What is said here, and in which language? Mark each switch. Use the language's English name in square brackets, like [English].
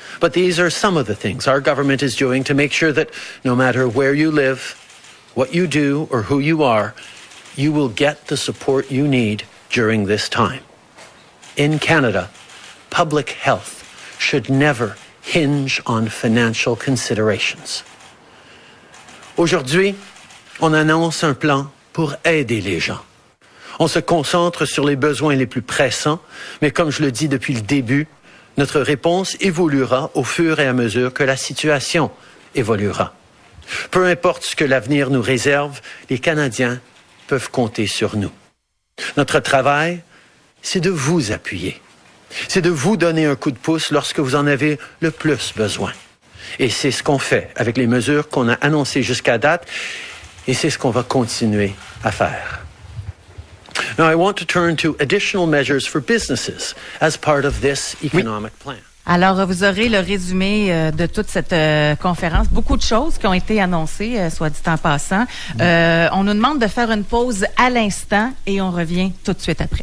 [English] But these are some of the things our government is doing to make sure that no matter where you live, what you do, or who you are, you will get the support you need during this time. In Canada, public health should never hinge on financial considerations. [French] Aujourd'hui, on annonce un plan pour aider les gens. On se concentre sur les besoins les plus pressants, mais comme je le dis depuis le début, notre réponse évoluera au fur et à mesure que la situation évoluera. Peu importe ce que l'avenir nous réserve, les Canadiens peuvent compter sur nous. Notre travail, c'est de vous appuyer. C'est de vous donner un coup de pouce lorsque vous en avez le plus besoin. Et c'est ce qu'on fait avec les mesures qu'on a annoncées jusqu'à date, et c'est ce qu'on va continuer à faire. [English] Now I want to turn to additional measures for businesses as part of this economic plan. [French] Alors, vous aurez le résumé de toute cette conférence. Beaucoup de choses qui ont été annoncées, soit dit en passant. On nous demande de faire une pause à l'instant et on revient tout de suite après.